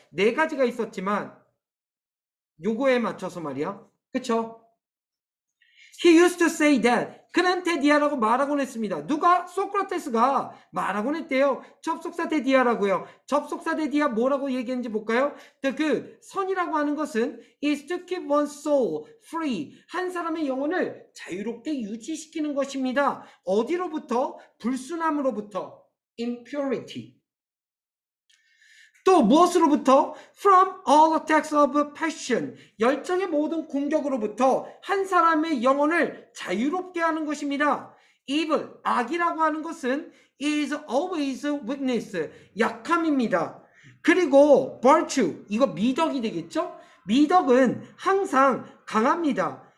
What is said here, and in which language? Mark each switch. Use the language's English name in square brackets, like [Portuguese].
[Korean] 네 가지가 있었지만, 요거에 맞춰서 말이야. 그쵸? [English] He used to say that. [Korean] 그는 테디아라고 말하곤 했습니다. 누가? 소크라테스가 말하곤 했대요. 접속사 테디아라고요. 접속사 테디아 뭐라고 얘기했는지 볼까요? [English] The good. [Korean] 선이라고 하는 것은 [English] is to keep one's soul free. [Korean] 한 사람의 영혼을 자유롭게 유지시키는 것입니다. 어디로부터? 불순함으로부터. impurity. 또 무엇으로부터? [English] From all attacks of passion. [Korean] 열정의 모든 공격으로부터 한 사람의 영혼을 자유롭게 하는 것입니다. evil, 악이라고 하는 것은 [English] is always weakness, [Korean] 약함입니다. 그리고 virtue, 이거 미덕이 되겠죠? 미덕은 항상 강합니다.